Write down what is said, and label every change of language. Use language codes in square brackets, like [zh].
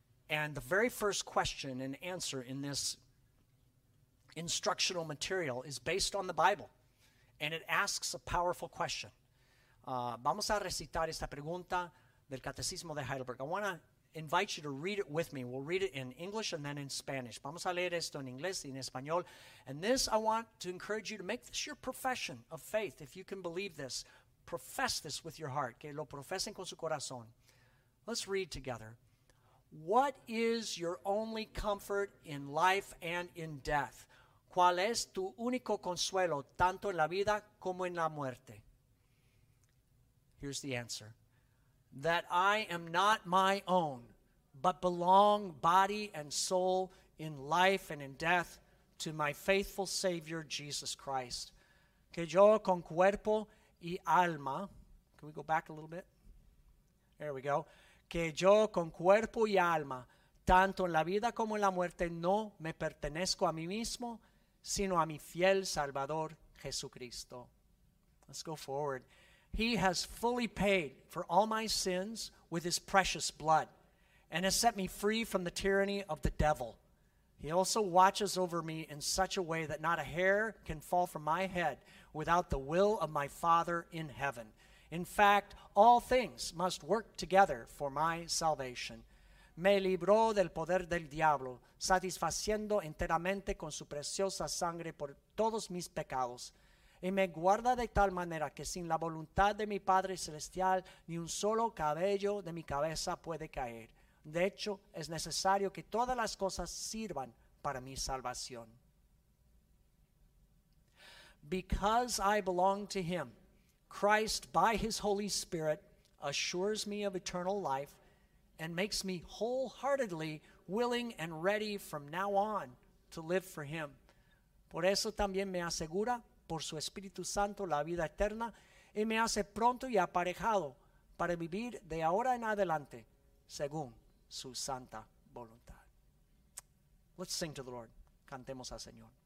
[en] And the very first question and answer in this instructional material is based on the Bible. And it asks a powerful question. [es] Vamos a recitar esta pregunta del Catecismo de Heidelberg. [en] I want to invite you to read it with me. We'll read it in English and then in Spanish. [es] Vamos a leer esto en inglés y en español. [en] And this, I want to encourage you to make this your profession of faith. If you can believe this, profess this with your heart. [es] Que lo profesen con su corazón. [en] Let's read together. What is your only comfort in life and in death? [es] ¿Cuál es tu único consuelo, tanto en la vida como en la muerte? [en] Here's the answer. That I am not my own, but belong body and soul in life and in death to my faithful Savior, Jesus Christ. [es] Que yo con cuerpo y alma, [en] can we go back a little bit? There we go. [es] Que yo con cuerpo y alma, tanto en la vida como en la muerte, no me pertenezco a mí mismo, sino a mi fiel Salvador, Jesucristo. [en] Let's go forward. He has fully paid for all my sins with his precious blood and has set me free from the tyranny of the devil. He also watches over me in such a way that not a hair can fall from my head without the will of my Father in heaven. In fact, all things must work together for my salvation. [es] Me libró del poder del diablo, satisfaciendo enteramente con su preciosa sangre por todos mis pecados. Y me guarda de tal manera que sin la voluntad de mi Padre Celestial, ni un solo cabello de mi cabeza puede caer. De hecho, es necesario que todas las cosas sirvan para mi salvación. [en] Because I belong to him, Christ, by his Holy Spirit, assures me of eternal life and makes me wholeheartedly willing and ready from now on to live for him. [es] Por eso también me asegura por su Espíritu Santo la vida eterna y me hace pronto y aparejado para vivir de ahora en adelante según su santa voluntad. [en] Let's sing to the Lord. [es] Cantemos al Señor.